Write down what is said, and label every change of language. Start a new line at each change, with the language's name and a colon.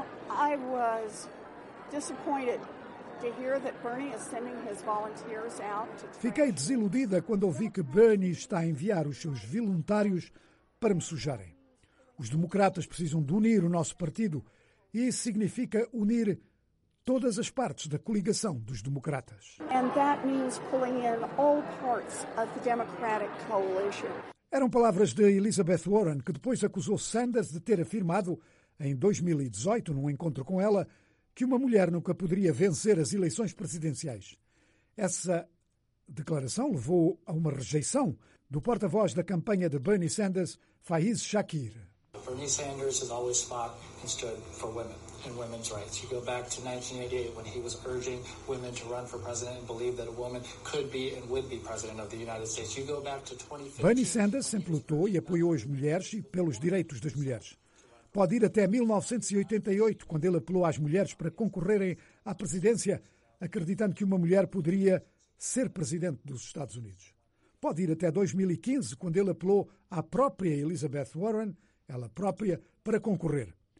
English: I was disappointed to hear that Bernie is sending his volunteers out to...
Portuguese: Fiquei desiludida quando ouvi que Bernie está a enviar os seus voluntários para me sujarem. Os democratas precisam de unir o nosso partido e isso significa unir todas as partes da coligação dos democratas.
English: And that means pulling in all parts of the Democratic coalition.
Portuguese: Eram palavras de Elizabeth Warren, que depois acusou Sanders de ter afirmado, em 2018, num encontro com ela, que uma mulher nunca poderia vencer as eleições presidenciais. Essa declaração levou a uma rejeição do porta-voz da campanha de Bernie Sanders, Faiz Shakir.
English: Bernie Sanders has always fought and stood for women and women's rights. You go back to 1988 when he was urging women to run for president and believe that a woman could be and would be president of the United States. You go back to 2015.
Portuguese: Bernie Sanders sempre lutou e apoiou as mulheres e pelos direitos das mulheres. Pode ir até 1988, quando ele apelou às mulheres para concorrerem à presidência, acreditando que uma mulher poderia ser presidente dos Estados Unidos. Pode ir até 2015, quando ele apelou à própria Elizabeth Warren, ela própria, para concorrer.